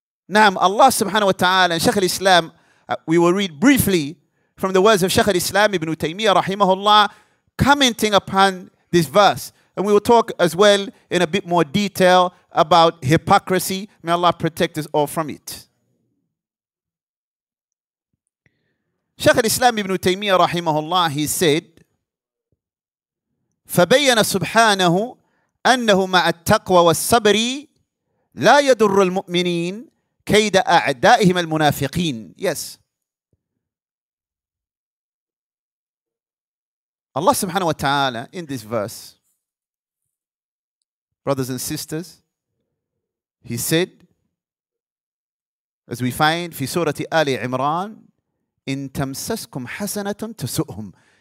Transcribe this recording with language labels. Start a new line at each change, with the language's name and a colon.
English: Naam, Allah subhanahu wa ta'ala and Shaykh al-Islam, we will read briefly from the words of Shaykh al-Islam ibn Taymiyyah rahimahullah, commenting upon this verse. And we will talk as well in a bit more detail about hypocrisy. May Allah protect us all from it. Shaykh al-Islam ibn Taymiyyah rahimahullah, he said,
Arabic: فبين سبحانه أنه مع التقوى والصبر لا يضر المؤمنين كيد أعدائهم المنافقين.
English: Yes. Allah subhanahu wa ta'ala in this verse, brothers and sisters, he said, as we find
Arabic: في سورة آل عمران, إن تمسسكم حسنة تسؤهم.